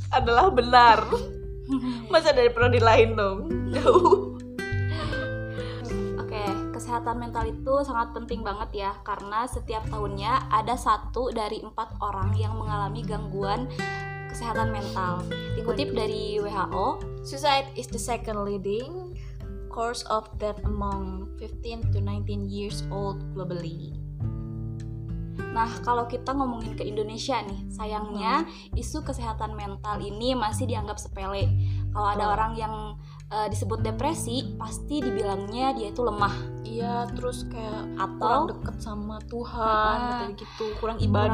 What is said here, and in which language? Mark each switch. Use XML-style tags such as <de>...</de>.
<id>Adalah benar. Masa dari prodi lain dong. Jauh. Oke, kesehatan mental itu sangat penting banget ya, karena setiap tahunnya ada 1 dari 4 orang yang mengalami gangguan kesehatan mental. Dikutip dari WHO,</id> <en>suicide is the second leading cause of death among 15 to 19 years old globally.</en> <id>Nah, kalau kita ngomongin ke Indonesia nih, sayangnya isu kesehatan mental ini masih dianggap sepele. Kalau ada orang yang disebut depresi, pasti dibilangnya dia itu lemah. Iya, terus kayak atau kurang deket sama Tuhan, gitu, kurang ibadah,</id>